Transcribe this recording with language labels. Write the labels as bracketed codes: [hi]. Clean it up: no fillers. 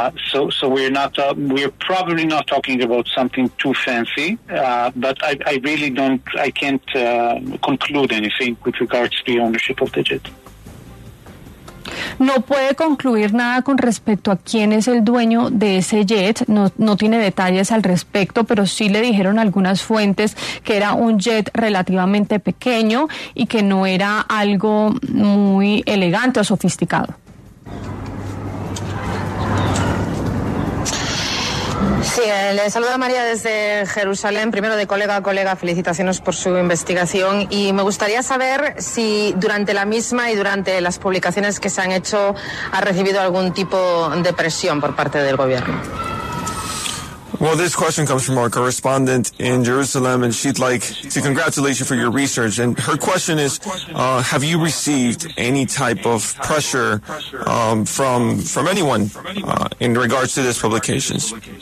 [en] So we're probably not talking about something too fancy, but I can't conclude anything with regards to the ownership of the jet. [es] No puede concluir nada con respecto a quién es el dueño de ese jet, no tiene detalles al respecto, pero sí le dijeron algunas fuentes que era un jet relativamente pequeño y que no era algo muy elegante o sofisticado. Sí, le saluda María desde Jerusalén. Primero, de colega a colega, felicitaciones por su investigación. Y me gustaría saber si durante la misma y durante las publicaciones que se han hecho ha recibido algún tipo de presión por parte del gobierno. [en] Well, this question comes from our correspondent in Jerusalem, and she'd like to congratulate you for your research. And her question is, have you received any type of pressure from anyone in regards to these publications?